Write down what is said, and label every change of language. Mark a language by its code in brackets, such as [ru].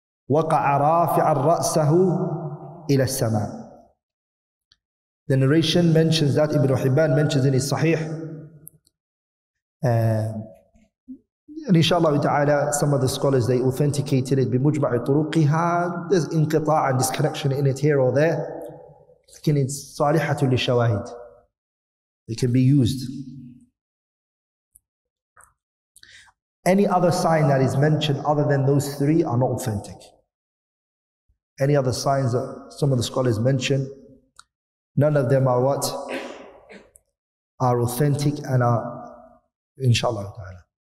[ar] وَقَعَ رَافِعَ الرَّأْسَهُ إِلَى السَّمَاءِ. [en] The narration mentions that Ibn Hibban mentions in his Sahih. And inshallah ta'ala, some of the scholars, they authenticated it [ar] بِمُجْمَعِ طُرُقِهَا. [en] There's inqita and disconnection in it here or there. [ar] لكن [en] it's [ar] صَالِحَةٌ لِلشَّوَاهِدِ. [en] It can be used. Any other sign that is mentioned other than those three are not authentic. Any other signs that some of the scholars mention, none of them are what? Are authentic and are inshallah ta'ala.